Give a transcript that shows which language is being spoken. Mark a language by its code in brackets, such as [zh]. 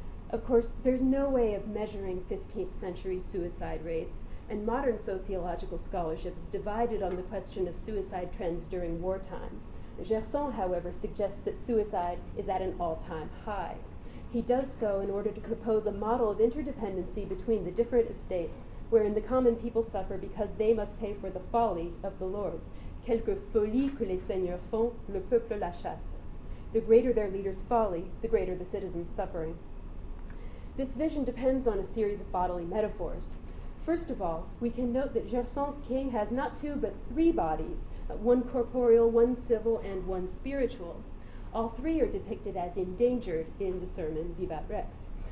[en] Of course, there's no way of measuring 15th century suicide rates, and modern sociological scholarship is divided on the question of suicide trends during wartime. Gerson, however, suggests that suicide is at an all-time high. He does so in order to propose a model of interdependency between the different estates, wherein the common people suffer because they must pay for the folly of the lords. [fr] Quelque folie que les seigneurs font, le peuple l'achète. [en] The greater their leader's folly, the greater the citizen's suffering. This vision depends on a series of bodily metaphors. First of all, we can note that Gerson's king has not two but three bodies, one corporeal, one civil, and one spiritual. All three are depicted as endangered in the sermon Vivat Rex.